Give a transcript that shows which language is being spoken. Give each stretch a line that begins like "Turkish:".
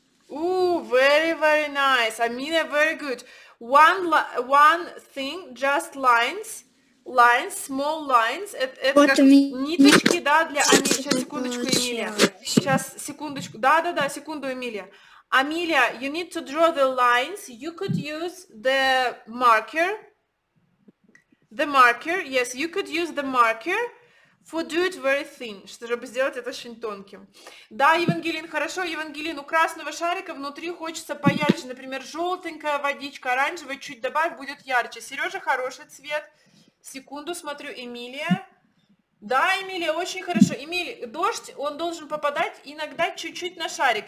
English: Ooh, very, very nice. Амилия, very good. One thing, just lines.
Russian: Lines, small lines, это как ниточки, да, для Амилии. Сейчас, секундочку, Эмилия. Сейчас, секундочку, да-да-да, секунду, Эмилия.
English: Амилия, you need to draw the lines. You could use the marker. The marker, yes, you could use the marker For do it very thin, чтобы сделать это очень тонким.
Russian: Да, Евангелин, хорошо, Евангелин, у красного шарика внутри хочется поярче, например, желтенькая водичка, оранжевая, чуть добавь, будет ярче. Сережа, хороший цвет. Секунду, смотрю, Эмилия. Да, Эмилия, очень хорошо. Эмилия, дождь, он должен попадать иногда чуть-чуть на шарик.